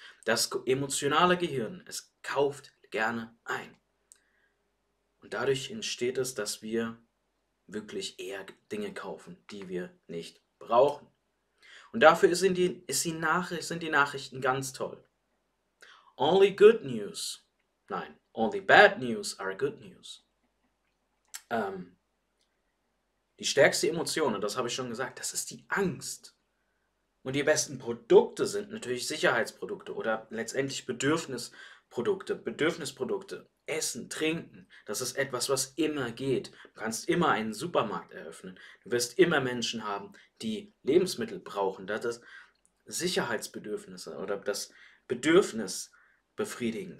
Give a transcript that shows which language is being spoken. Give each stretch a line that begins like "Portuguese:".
German: Das emotionale Gehirn, es kauft gerne ein. Und dadurch entsteht es, dass wir wirklich eher Dinge kaufen, die wir nicht brauchen. Und dafür sind die Nachrichten ganz toll.
English: Only good news.
German: Nein,
English: only bad news are good news.
German: Die stärkste Emotion, und das habe ich schon gesagt, das ist die Angst. Und die besten Produkte sind natürlich Sicherheitsprodukte oder letztendlich Bedürfnisprodukte. Bedürfnisprodukte, Essen, Trinken, das ist etwas, was immer geht. Du kannst immer einen Supermarkt eröffnen. Du wirst immer Menschen haben, die Lebensmittel brauchen, da das Sicherheitsbedürfnisse oder das Bedürfnis befriedigen.